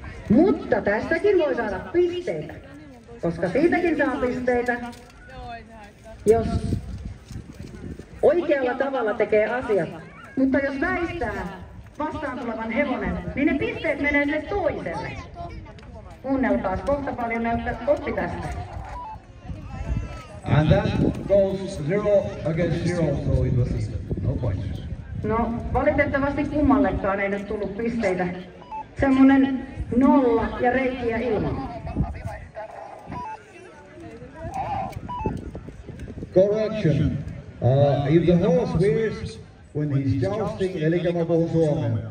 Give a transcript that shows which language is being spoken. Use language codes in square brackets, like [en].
[fi] Mutta tästäkin voi saada pisteitä, koska siitäkin saa pisteitä, jos oikealla tavalla tekee asiat. Mutta jos väistää vastaan tulevan hevonen, niin ne pisteet menee sille toiselle. Kuunnelkaas kohta paljon ne oppi tästä. [en] And that goes zero against zero, so it was easy. No point. [fi] No, valitettavasti kummallekaan ei nyt tullut pisteitä. Semmonen nolla ja reikiä ilman. [en] Correction. If the horse wears when he's jousting, [fi] eli mä puhun suomea.